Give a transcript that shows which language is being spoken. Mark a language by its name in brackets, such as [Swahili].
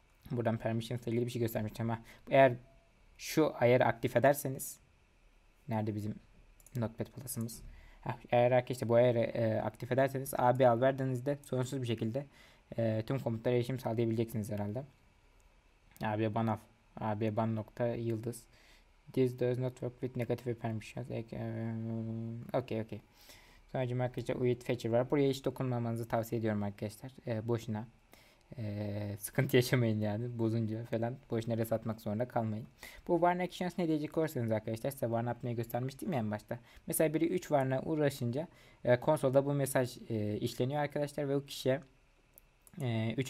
[Turkish] Buradan permission ilgili bir şey göstermiştim ama eğer şu ayarı aktif ederseniz, nerede bizim Notepad plus'ımız? Eğer arkadaşlar bu ayarı aktif ederseniz AB al verdiğinizde sorunsuz bir şekilde tüm komutlara erişim sağlayabileceksiniz herhalde. AB ban al. AB ban nokta yıldız. [English] This does not work with negative permissions. Okay. [Turkish] Sonucu arkadaşlar uyut feature var. Buraya hiç dokunmamanızı tavsiye ediyorum arkadaşlar. Boşuna. Sıkıntı yaşamayın yani. Bozunca falan boşuna res atmak zorunda kalmayın. Bu varna actions ne diyecek olursanız arkadaşlar, size varna atmayı göstermiştim ya en başta. Mesela biri 3 varna uğraşınca konsolda bu mesaj işleniyor arkadaşlar ve o kişiye 3.